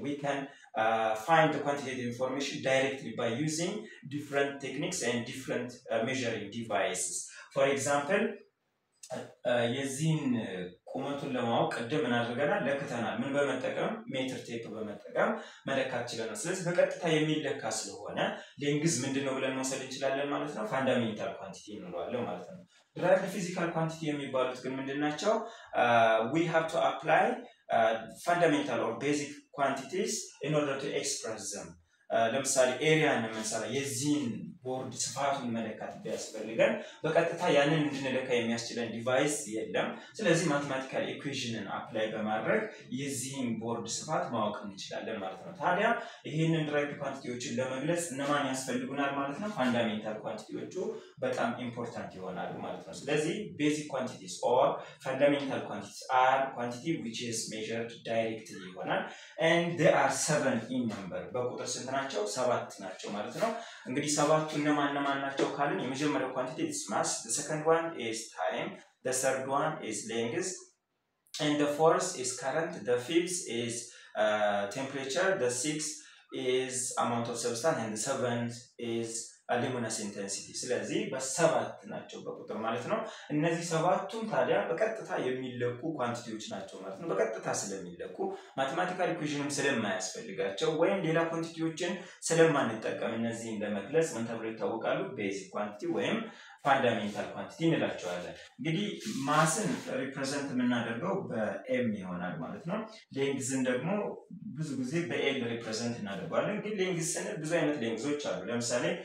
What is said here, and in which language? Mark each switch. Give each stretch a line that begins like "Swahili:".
English: We can find the quantitative information directly by using different techniques and different measuring devices.
Amharic: For example, የዚህን ቁመቱን ለማወቅ ቀደም እናደርጋለን ለከተናል ምን በመጠቀም ሜትር ቴፕ በመጠቀም መለካት ይችላል። ስለዚህ በቀጥታ የሚለካ ስለሆነ ሌንግዝ ምንድነው ብለን መውሰድ እንችላለን ማለት ነው። ፋንዳሜንታል ኳንቲቲ እንለዋለን ማለት ነው። ድራይቭድ ፊዚካል ኳንቲቲ የሚባሉት ግን ምንድናቸው?
English: we have to apply fundamental or basic quantities in order to express them.
Amharic: ለምሳሌ ኤሪያን ለምሳሌ የዚህን ቦርድ ስፋቱን መለካት ቢያስፈልገን በቀጥታ ያንን እንድንለካ የሚያስችለን ዲቫይስ የለም። ስለዚህ ማቴማቲካል ኢኩዌሽንን አፕላይ በማድረግ የዚህን ቦርድ ስፋት ማወቅ እንችላለን ማለት ነው። ታዲያ ይሄንን ድራይቭድ ኳንቲቲዎችን ለመግለጽ እነማን ያስፈልጉናል ማለት ነው? ፋንዳሜንታል ኳንቲቲዎቹ በጣም ኢምፖርታንት ይሆናሉ ማለት ነው። ስለዚህ ቤዚክ ኳንቲቲስ ኦር ፋንዳሜንታል ኳንቲቲስ አር ኳንቲቲ
English: which is measured directly
Amharic: ይሆናል።
English: and there are 7 in number
Amharic: በቁጥር ስንት ናቸው? 7 ናቸው ማለት ነው። እንግዲህ 7 እና ማናማን ናቸው ካልን የመጀመሪያው ኳንቲቲ
English: is mass, the second one is time, the third one is length, and the fourth is current, the fifth is temperature, the sixth is amount of substance, and the seventh is luminous intensity.
Amharic: ስለዚህ በሰባት ናቸው በቁጥር ማለት ነው። እነዚህ ሰባቱም ታዲያ በቀጥታ የሚለኩ ኳንቲቲዎች ናቸው ማለት ነው። በቀጥታ ስለሚለኩ ማቴማቲካል ኢኩዌሽንም ስለማያስፈልጋቸው ወይም ሌላ ኳንቲቲዎችን ስለማንጠቀም እነዚህን ለመግለጽ ምን ተብሎ ይታወቃሉ? ቤዚክ ኳንቲቲ ወይም ፋንዳሜንታል ኳንቲቲ እንላቸዋለን። እንግዲህ ማስን ሪፕሬዘንት እናደርገው በኤም ይሆናል ማለት ነው። ሌንግዝን ደግሞ ብዙ ጊዜ በኤል ሪፕሬዘንት እናደርጋለን። እንግዲህ ሌንግዝን ብዙ አይነት ሌንግዞች አሉ። ለምሳሌ